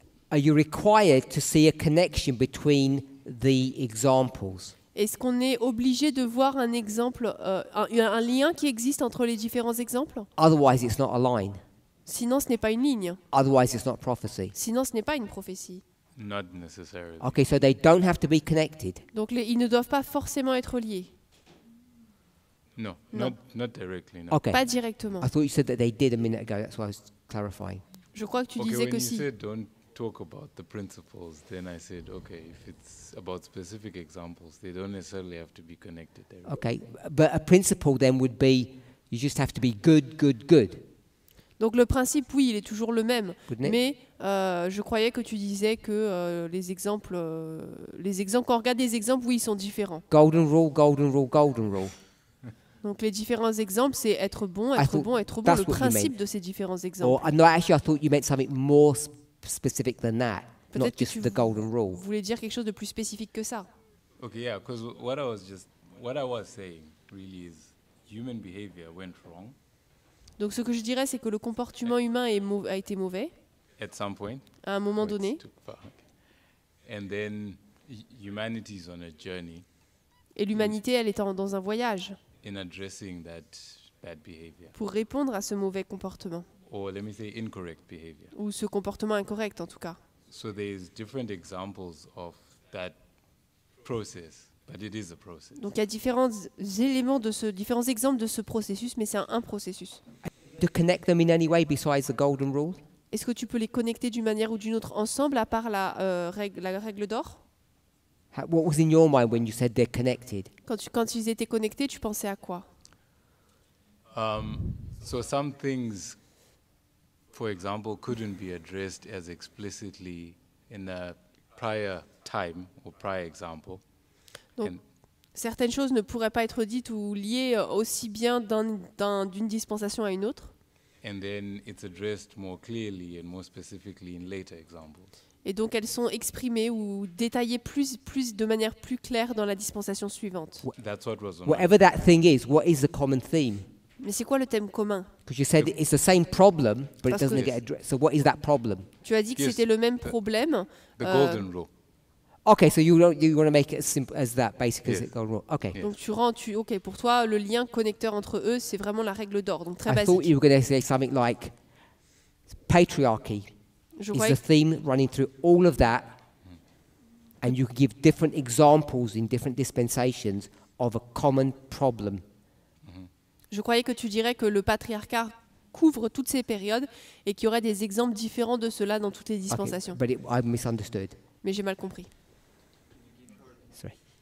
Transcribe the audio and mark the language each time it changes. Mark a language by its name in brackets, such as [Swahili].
[English] Are you required to see a connection between the examples? [French] Est-ce qu'on est obligé de voir un exemple, un lien qui existe entre les différents exemples? [English] Otherwise, it's not a line. [French] Sinon, ce n'est pas une ligne. [English] Otherwise, it's not prophecy. [French] Sinon, ce n'est pas une prophétie. [English] Not necessarily. Okay, so they don't have to be connected. [French] Donc, ils ne doivent pas forcément être liés. [English] No, non. not directly. No. Okay. [French] Pas directement. [English] I thought you said that they did a minute ago. That's why I was clarifying. [French] Je crois que tu disais que si. [English] When you said don't talk about the principles, then I said okay. If it's about specific examples, they don't necessarily have to be connected. Directly. Okay, but a principle then would be you just have to be good, good, good. [French] Donc le principe, oui, il est toujours le même. [English] Wouldn't [French] mais [English] it? [French] Je croyais que tu disais que les exemples, quand on regarde des exemples, oui, ils sont différents. [English] Golden rule, golden rule, golden rule. [French] Donc les différents exemples, c'est être bon, être bon, être bon. Le principe de ces différents exemples. [English] Or, no, actually, I thought you meant something more specific than that, [French] peut-être [English] not just the golden rule. [French] Vous voulez dire quelque chose de plus spécifique que ça? [English] Okay, yeah, because what I was saying really is human behavior went wrong. [French] Donc ce que je dirais, c'est que le comportement humain a été mauvais. [English] At some point. [French] À un moment donné. [English] And then humanity is on a journey. [French] Et l'humanité, elle est dans un voyage. [English] In addressing that bad behavior. [French] Pour répondre à ce mauvais comportement. [English] Or let me say incorrect behavior. [French] Ou ce comportement incorrect, en tout cas. [English] So there's different examples of that process, but it is a process. [French] Donc il y a différents éléments de ce, différents exemples de ce processus, mais c'est un processus. [English] To connect them in any way besides the golden rule? [French] Est-ce que tu peux les connecter d'une manière ou d'une autre ensemble, à part la règle d'or? [English] What was in your mind when you said they're connected? [French] Quand ils étaient connectés, tu pensais à quoi? [English] So some things, for example, couldn't be addressed as explicitly in a prior time or prior example. [French] Donc, certaines choses ne pourraient pas être dites ou liées aussi bien d'une dispensation à une autre. [English] And then it's addressed more clearly and more specifically in later examples. [French] Et donc elles sont exprimées ou détaillées plus de manière plus claire dans la dispensation suivante. [English] That's what was on. Whatever that thing is, what is the common theme? [French] Mais c'est quoi le thème commun? [English] Because you said it's the same problem, but it doesn't get addressed. So what is that problem? [French] Tu as dit que c'était le même problème. [English] The golden rule. Okay, so you want to make it as simple as that, basically, as a golden rule. Okay. [French] Donc okay, pour toi, le lien connecteur entre eux, c'est vraiment la règle d'or, donc très basique. [English] I thought you were going to say something like patriarchy. Is the theme running through all of that, and you could give different examples in different dispensations of a common problem. [French] Je croyais que tu dirais que le patriarcat couvre toutes ces périodes et qu'il y aurait des exemples différents de cela dans toutes les dispensations. [English] Okay, but I misunderstood. [French] Mais j'ai mal compris. [English] Sorry.